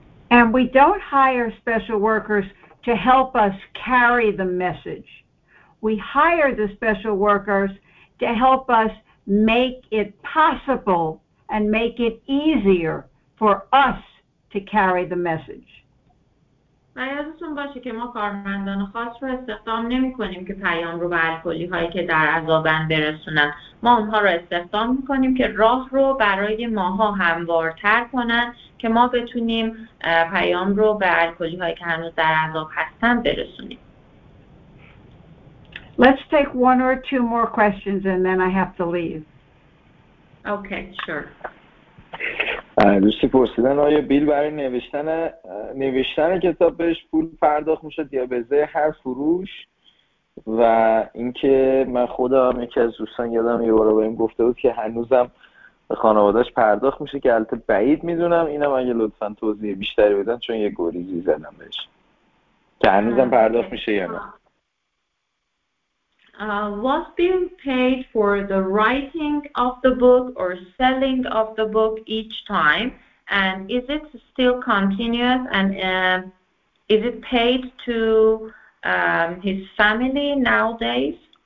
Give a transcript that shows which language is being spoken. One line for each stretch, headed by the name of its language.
English: And we don't hire special workers to help us carry the message. We hire the special workers to help us make it possible and make it easier for us to carry the message.
Persian: یادتون باشه که ما کارمندان خاص رو استخدام نمی‌کنیم که پیام رو به الکلی‌هایی که در عذابن برسونن. ما اونها رو استخدام می‌کنیم که راه رو برای ماها هموارتر کنن که ما بتونیم پیام رو به الکلی‌هایی که هنوز در عذاب هستن برسونیم.
English: Let's take one or two more questions and then I have to leave. Okay, sure.
Persian: دوستی پرسیدن آیا بیل برای نوشتن کتاب بهش پول پرداخت میشد یا به ازای هر فروش؟ و اینکه من خودم یکی از دوستان یادم یه بار با این گفته بود که هنوزم به خانوادهش پرداخت میشه که البته بعید میدونم، اینم اگه لطفا توضیح بیشتری بدن چون یه گریزی زدم بهش که هنوزم پرداخت میشه یا نه.
English: Was being paid for the writing of the book or selling of the book each time? And is it still continuous? And is it paid to his family nowadays?